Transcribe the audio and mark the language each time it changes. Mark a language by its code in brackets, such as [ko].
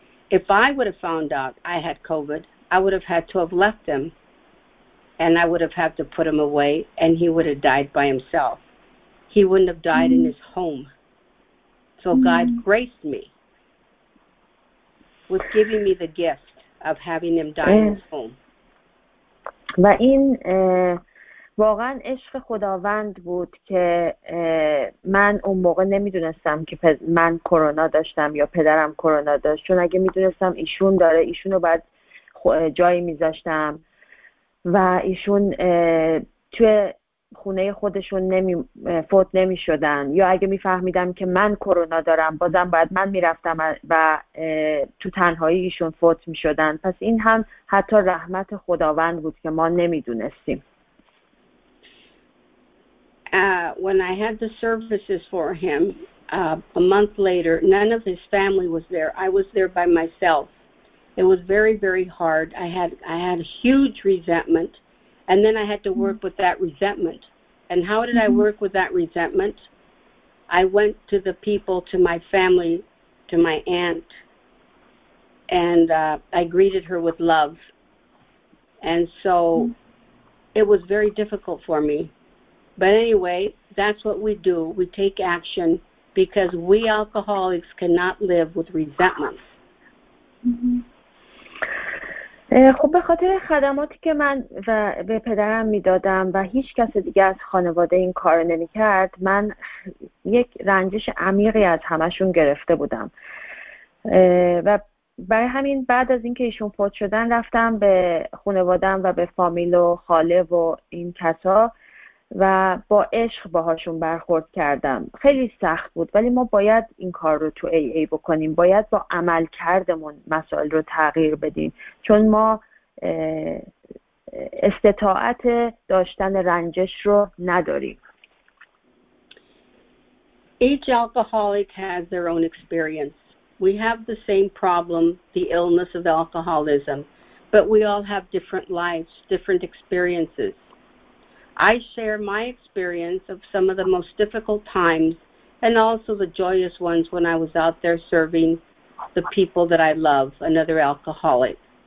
[en] If I would have found out I had COVID, I would have had to have left him, and I would have had to put him away, and he would have died by himself. He wouldn't have died in his home. So God graced me with giving me the gift of having him die in his home. [fa] و این واقعا عشق خداوند بود که من اون موقع نمیدونستم که من کرونا داشتم یا پدرم کرونا داشت، چون اگه میدونستم ایشون داره ایشون رو بعد جایی میذاشتم و ایشون توی خونه خودشون فوت نمیشدن، یا اگه میفهمیدم که من کرونا دارم بازم باید من میرفتم و تو تنهایی ایشون فوت میشدن. پس این هم حتی رحمت خداوند بود که ما نمیدونستیم. [en] When I had the services for him a month later, none of his family was there. I was there by myself. It was very, very hard. I had a huge resentment, and then I had to work with that resentment. And how did I work with that resentment? I went to the people, to my family, to my aunt, and I greeted her with love. And so it was very difficult for me. But anyway, that's what we do. We take action because we alcoholics cannot live with resentment. [fa] خب به خاطر خدماتی که من و به پدرم میدادم و هیچ کس دیگه از خانواده این کار نمی کرد، من یک رنجش عمیقی از همشون گرفته بودم. و برای همین بعد از اینکه ایشون فوت شدن رفتم به خانواده‌ام و به فامیل و خاله و این کسا و با عشق باهاشون برخورد کردم. خیلی سخت بود ولی ما باید این کار رو تو AA بکنیم، باید با عمل کردمون مسائل رو تغییر بدیم، چون ما استطاعت داشتن رنجش رو نداریم. [en] Each alcoholic has their own experience. We have the same problem, the illness of alcoholism, but we all have different lives, different experiences. I share my experience of some of the most difficult times and also the joyous ones when I was out there serving the people that I love, another alcoholic.